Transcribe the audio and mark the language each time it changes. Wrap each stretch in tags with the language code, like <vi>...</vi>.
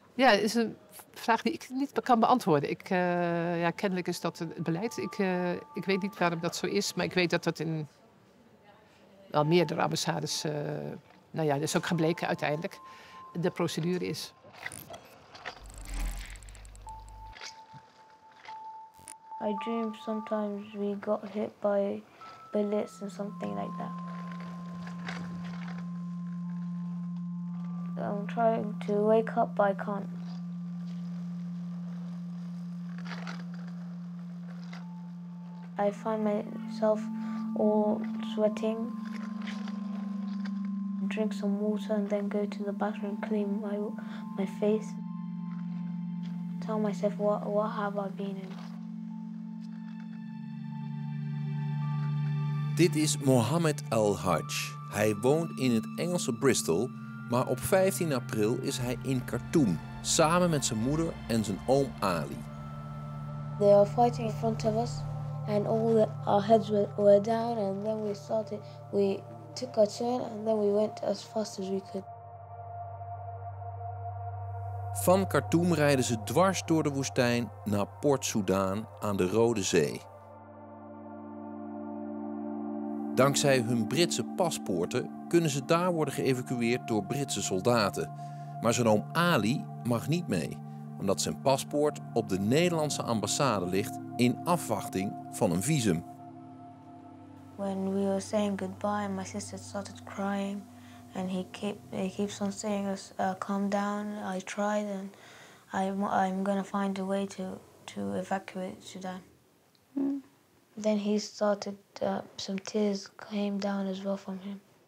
<nl>Ja, dat is een vraag die ik niet kan beantwoorden. Kennelijk is dat het beleid. Ik weet niet waarom dat zo is, maar ik weet dat dat in wel meerdere ambassades, dat is ook gebleken uiteindelijk, de procedure is.</nl> <en>I dream sometimes we got hit by bullets and something like that. I'm trying to wake up, but I can't. I find myself all sweating. Drink some water and then go to the bathroom, clean my face. Tell myself what have I been in.</en> <nl>Dit is Mohammed El-Hajj. Hij woont in het Engelse Bristol, maar op 15 april is hij in Khartoum, samen met zijn moeder en zijn oom Ali.</nl> <en>They were fighting in front of us, and all our heads were down, and then we started, we took our turn, and then we went as fast as we could.</en> <nl>Van Khartoum rijden ze dwars door de woestijn naar Port Sudan aan de Rode Zee. Dankzij hun Britse paspoorten kunnen ze daar worden geëvacueerd door Britse soldaten. Maar zijn oom Ali mag niet mee, omdat zijn paspoort op de Nederlandse ambassade ligt in afwachting van een visum.</nl> <en>When we were saying goodbye, my sister started crying and he keeps on saying us calm down. I tried and I'm gonna find a way to evacuate Sudan. Then he started, some tears came down as well from him.</en>